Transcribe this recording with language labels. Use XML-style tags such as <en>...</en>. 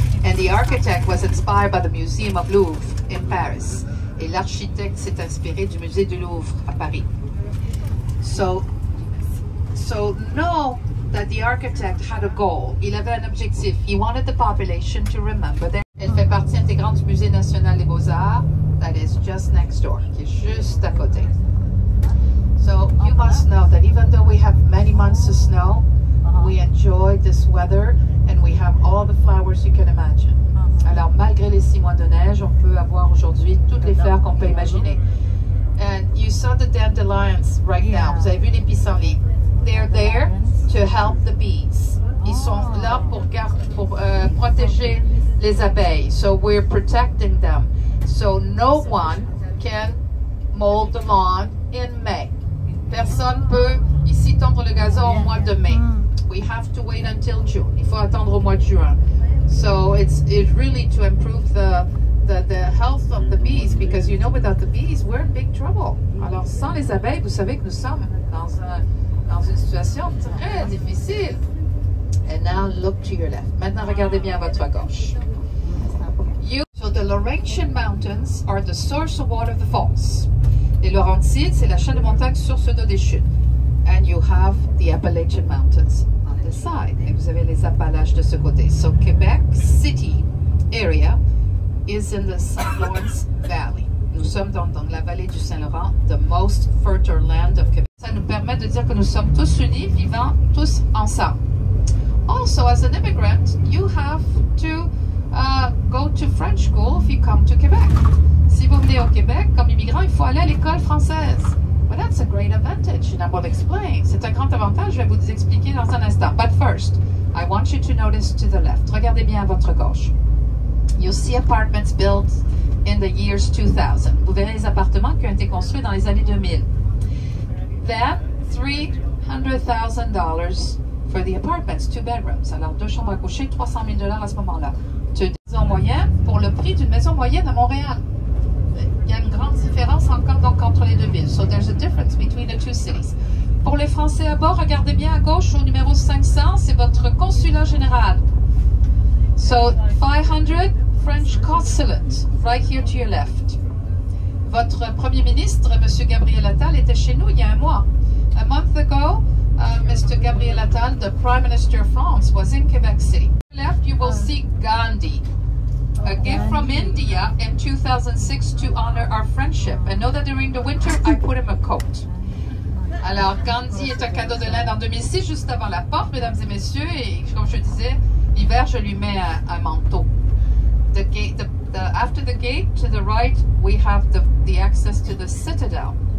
<en>And the architect was inspired by the Museum of Louvre in Paris.</en> <fr>Et l'architecte s'est inspiré du Musée du Louvre à Paris.</fr> <en>So know that the architect had a goal.</en> <fr>Il avait un objectif.</fr> <en>He wanted the population to remember that.</en> <fr>Elle fait partie intégrante du Musée national des Beaux-Arts,</fr> <en>that is just next door,</en> <fr>qui est juste à côté.</fr> <en>So you must know that even though we have many months of snow, we enjoy this weather and we have all the flowers you can imagine.</en> <fr>Alors malgré les 6 mois de neige, on peut avoir aujourd'hui toutes les fleurs qu'on peut imaginer.</fr> <en>And you saw the dandelions right now.</en> <fr>Vous avez vu les pissenlits.</fr> <en>They're there to help the bees.</en> <fr>Ils sont là pour protéger les abeilles.</fr> <en>So we're protecting them. So no one can mow the lawn in May.</en> <fr>Personne peut ici tondre le gazon au mois de mai.</fr> <en>We have to wait until June.</en> <fr>Il faut attendre au mois de juin.</fr> <en>So it's really to improve the health of the bees, because you know without the bees we're in big trouble.</en> <fr>Alors sans les abeilles, vous savez que nous sommes dans une situation très difficile.</fr> <en>And now look to your left.</en> <fr>Maintenant regardez bien à votre gauche.</fr> <en>So the Laurentian Mountains are the source of water of the falls.</en> <fr>Les Laurentides, c'est la chaîne de montagnes source d'eau des chutes.</fr> <en>And you have the Appalachian Mountains on the side.</en> <fr>Et vous avez les Appalaches de ce côté.</fr> <en>So Quebec City area is in the St. Lawrence Valley.</en> <fr>Nous sommes dans la vallée du Saint-Laurent,</fr> <en>the most fertile land of Quebec.</en> <fr>Ça nous permet de dire que nous sommes tous unis, vivant tous ensemble.</fr> <en>Also, as an immigrant, you have to go to French school if you come to Quebec.</en> <fr>Si vous venez au Québec, comme immigrant, il faut aller à l'école française.</fr> <en>Well, that's a great advantage, and I will explain.</en> <fr>C'est un grand avantage, je vais vous expliquer dans un instant.</fr> <en>But first, I want you to notice to the left.</en> <fr>Regardez bien à votre gauche.</fr> <en>You see apartments built in the years 2000.</en> <fr>Vous verrez les appartements qui ont été construits dans les années 2000.</fr> <en>Then, $300,000 for the apartments, 2 bedrooms.</en> <fr>Alors, 2 chambres à coucher, $300,000 à ce moment-là. Moyen pour le prix d'une maison moyenne à Montréal. Il y a une grande différence encore donc entre les deux villes.</fr> <en>So there's a difference between the two cities.</en> <fr>Pour les Français à bord, regardez bien à gauche au numéro 500, c'est votre consulat général.</fr> <en>So 500 French consulate right here to your left.</en> <fr>Votre premier ministre, Monsieur Gabriel Attal, était chez nous il y a un mois.</fr> <en>A month ago, Mr. Gabriel Attal, the Prime Minister of France, was in Quebec City. Left, you will see Gandhi. A gift from India in 2006 to honor our friendship. And know that during the winter, I put him a coat.</en> <fr>Alors, Gandhi est un cadeau de l'Inde en 2006, juste avant la porte, mesdames et messieurs. Et comme je disais, l'hiver, je lui mets un manteau.</fr> <en>After the gate, to the right, we have the access to the citadel.</en>